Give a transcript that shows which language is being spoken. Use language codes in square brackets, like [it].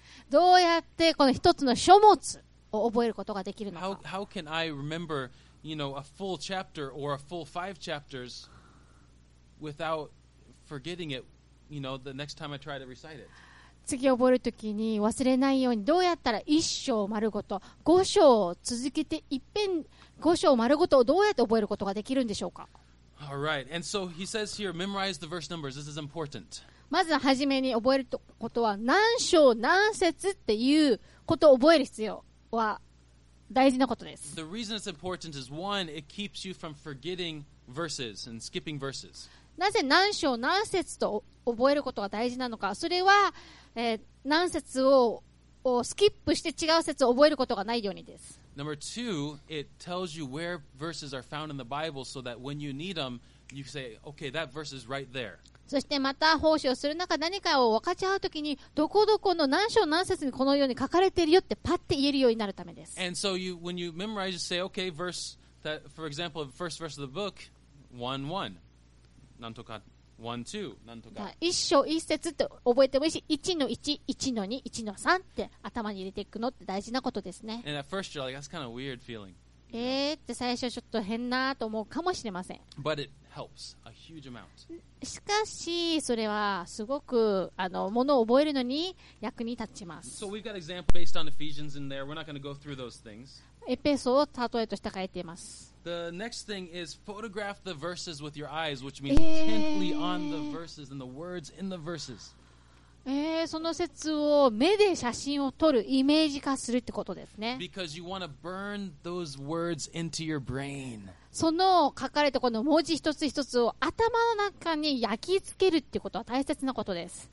[ja] どうやってこの一つの書物を覚えることができるのか。 [en] How can I remember, you know, a full chapter or a full five chapters without forgetting it, you know, the next time I try to recite it? [ja] 次覚えるときに忘れないようにどうやったら一章丸ごと五章を続けて一遍五章丸ごとをどうやって覚えることができるんでしょうか。 [en] All right. And so he says here, memorize the verse numbers. This is important. [ja] まず初めに覚えることは何章何節っていうことを覚える必要は大事なことです。 [en] The reason it's important is one, it keeps you from forgetting verses and skipping verses. [ja] なぜ何章何節と覚えることが大事なのか、それは何節 をスキップして違う節を覚えることがないようにです。 [en] Number two, it tells you where verses are found in the Bible so that when you need them, you say, okay, that verse is right there. [ja] そしてまた奉仕をする中何かを分かち合うときにどこどこの何章何節にこのように書かれているよってパッて言えるようになるためです。 [en] And so you, when you memorize, you say, okay, verse that, for example, the first verse of the book, 1-1, [ja] なんとか1, 2, なんとか一章一節って覚えてもいいし、1の1、1の2、1の3って頭に入れていくのって大事なことですね。 [en] First, like, that's kind of weird feeling, you know? [ja] って最初ちょっと変なと思うかもしれません。 [en] But it helps a huge amount. [ja] しかしそれはすごくあのものを覚えるのに役に立ちます。 [en] So we've got an example based on Ephesians in there. We're not going to go through those things. [ja] エペソを例えとして書いています。 [en] The next thing is photograph the verses with your eyes, which means intently on the verses and the words in the verses. [ja] その節を目で写真を撮る、イメージ化するってことですね。 [en] Because you want to burn those words into your brain. [ja] その書かれたこの文字一つ一つを頭の中に焼き付けるってことは大切なことです。